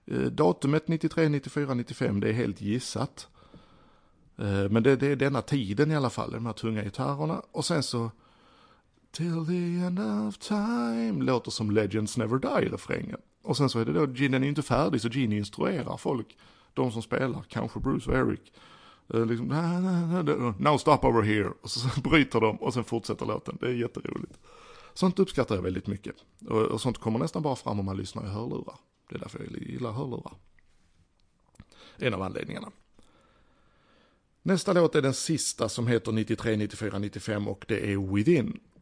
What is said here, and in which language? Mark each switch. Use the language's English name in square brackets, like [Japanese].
[Swedish] Datumet 93, 94, 95, det är helt gissat. Men det är denna tiden i alla fall, de här tunga gitarrerna. Och sen så Till the End of Time låter som Legends Never Die-refrängen. Och sen så är det då, Gene är inte färdig, så Gene instruerar folk, de som spelar, kanske Bruce och Eric. [English] Liksom, now stop over here. [Swedish] Och så bryter de och sen fortsätter låten. Det är jätteroligt. Sånt uppskattar jag väldigt mycket. Och sånt kommer nästan bara fram om man lyssnar i hörlurar. Det är därför jag gillar hörlurar. En av anledningarna. Nästa låt är den sista som heter 93, 94, 95 och det är Within.